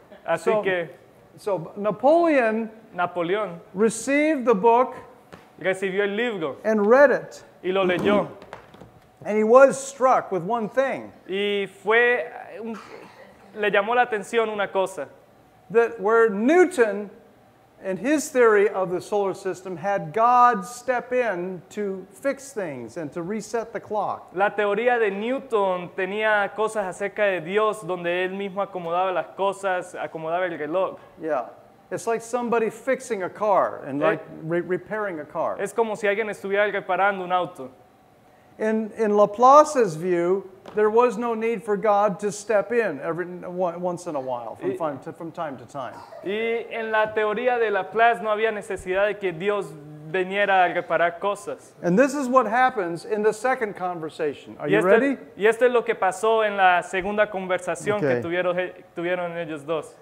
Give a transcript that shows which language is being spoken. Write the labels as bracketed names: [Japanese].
[Spanish] Así so, que. [English] So, Napoleon. Received the book. [Spanish] Recibió el libro. [English] And read it. [Spanish] Y lo leyó. [English] And he was struck with one thing. [Spanish] Y fue le llamó la atención una cosa. [English] That where Newton and his theory of the solar system had God step in to fix things and to reset the clock. [Spanish] La teoría de Newton tenía cosas acerca de Dios donde él mismo acomodaba las cosas, acomodaba el reloj. [English] Yeah. It's like somebody fixing a car and like repairing a car. [Spanish] Es como si alguien estuviera reparando un auto. [English] In Laplace's view, there was no need for God to step in every once in a while, from time to time. [Spanish] Y en la teoría de Laplace no había necesidad de que Dios viniera a reparar cosas. [English] And this is what happens in the second conversation. Are you ready? [Spanish] Y esto es lo que pasó en la segunda conversación que tuvieron ellos dos.